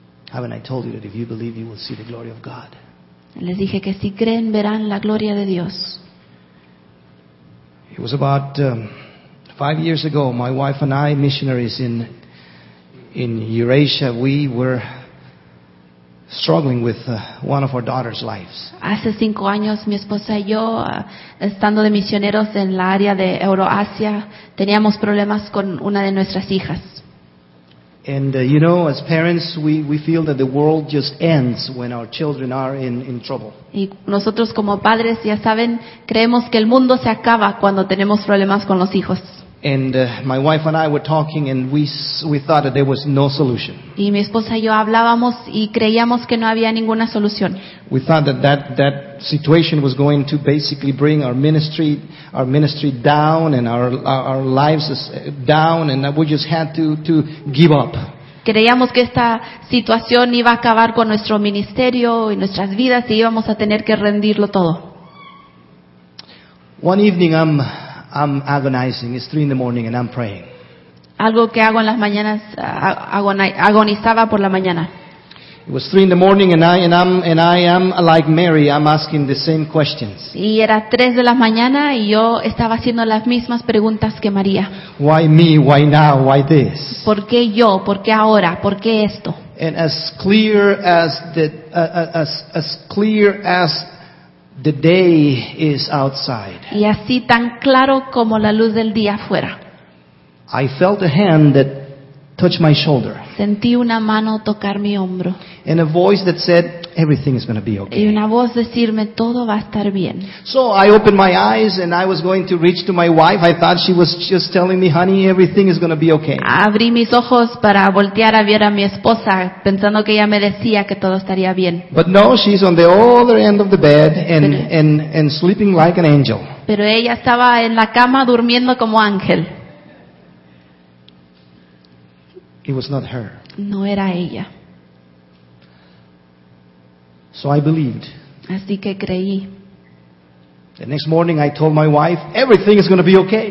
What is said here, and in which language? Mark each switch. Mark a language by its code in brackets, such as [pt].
[en] Haven't I told you that if you believe, you will see the glory of God? [es] Les dije que si creen verán la gloria de Dios. [en] It was about 5 years ago. My wife and I, missionaries in Eurasia, we were struggling with one of our daughter's lives. [es] Hace 5 años, mi esposa y yo, estando de misioneros en la área de Euroasia, teníamos problemas con una de nuestras hijas. [en] And as parents, we feel that the world just ends when our children are in trouble. [es] Y nosotros como padres, ya saben, creemos que el mundo se acaba cuando tenemos problemas con los hijos. [en] And my wife and I were talking, and we thought that there was no solution. [es] Y mi esposa y yo hablábamos y creíamos que no había ninguna solución. [en] We thought that situation was going to basically bring our ministry down and our lives down, and that we just had to give up. [es] Creíamos que esta situación iba a acabar con nuestro ministerio y nuestras vidas y íbamos a tener que rendirlo todo. [en] One evening I'm agonizing. It's 3 a.m. and I'm praying. [es] Algo que hago en las mañanas, agonizaba por la mañana. [en] It was 3 a.m. and I am like Mary. I'm asking the same questions. [es] Y era 3 a.m. y yo estaba haciendo las mismas preguntas que María. [en] Why me? Why now? Why this? [es] ¿Por qué yo? ¿Por qué ahora? ¿Por qué esto? [en] And as clear as the day is outside. [es] Y así tan claro como la luz del día afuera. [en] I felt a hand that touched my shoulder. [es] Sentí una mano tocar mi hombro. [en] And a voice that said, "Everything is going to be okay." [es] Y una voz decirme, "Todo va a estar bien." [en] So I opened my eyes and I was going to reach to my wife. I thought she was just telling me, "Honey, everything is going to be okay." [es] Abrí mis ojos para voltear a ver a mi esposa, pensando que ella me decía que todo estaría bien. [en] But no, she's on the other end of the bed and sleeping like an angel. [es] Pero ella estaba en la cama durmiendo como ángel. [en] It was not her. [es] No era ella. [en] So I believed. [es] Así que creí. [en] The next morning I told my wife, "Everything is going to be okay."